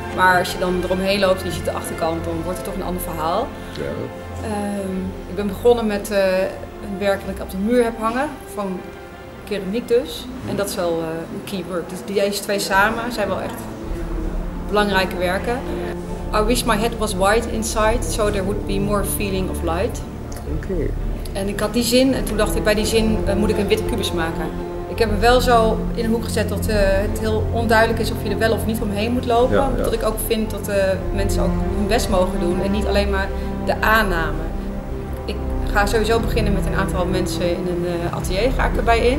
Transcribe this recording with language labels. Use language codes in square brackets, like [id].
[nl] Maar als je dan eromheen loopt en je ziet de achterkant, dan wordt het toch een ander verhaal. Ja. Ik ben begonnen met een werk dat ik op de muur heb hangen. Van keramiek dus. En dat is wel een key work. Dus deze twee samen zijn wel echt belangrijke werken. [en] I wish my head was white inside, so there would be more feeling of light. [nl] Oké. En ik had die zin en toen dacht ik, bij die zin moet ik een witte kubus maken. Ik heb hem wel zo in een hoek gezet dat het heel onduidelijk is of je er wel of niet omheen moet lopen. Ja, ja. Omdat ik ook vind dat mensen ook hun best mogen doen en niet alleen maar de aanname. Ik ga sowieso beginnen met een aantal mensen in een atelier, ga ik erbij in.